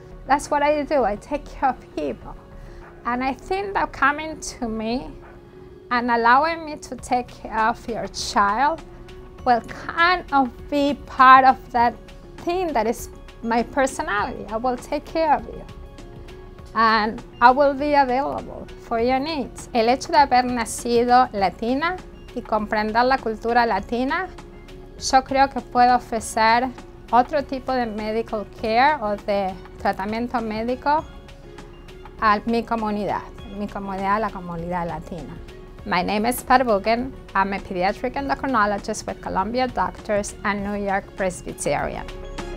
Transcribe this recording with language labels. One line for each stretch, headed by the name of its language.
English: That's what I do, I take care of people. And I think that coming to me and allowing me to take care of your child will kind of be part of that thing that is my personality. I will take care of you. And I will be available for your needs.
Spanish: El hecho de haber nacido Latina y comprender la cultura Latina, yo creo que puedo ofrecer otro tipo de medical care o de tratamiento médico a mi comunidad, la comunidad Latina.
English: My name is Pat Vuguin. I'm a pediatric endocrinologist with Columbia Doctors and New York Presbyterian.